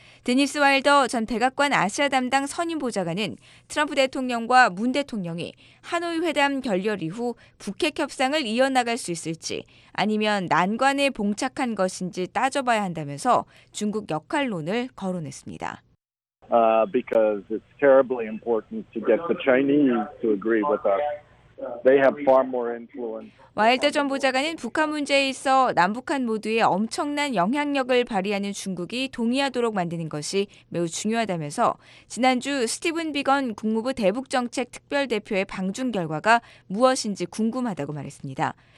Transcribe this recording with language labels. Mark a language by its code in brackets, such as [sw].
[ko] 데니스 와일더 전 백악관 아시아 담당 선임 보좌관은 트럼프 대통령과 문 대통령이 하노이 회담 결렬 이후 북핵 협상을 이어나갈 수 있을지 아니면 난관에 봉착한 것인지 따져봐야 한다면서 중국 역할론을 거론했습니다. [en] Because it's terribly important to get the Chinese to agree with us. They have far more influence. [ko] 와일더 전 보좌관은 북한 문제에 있어 남북한 모두의 엄청난 영향력을 발휘하는 중국이 동의하도록 만드는 것이 매우 중요하다면서 지난주 스티븐 비건 국무부 대북정책특별대표의 방중 결과가 무엇인지 궁금하다고 말했습니다.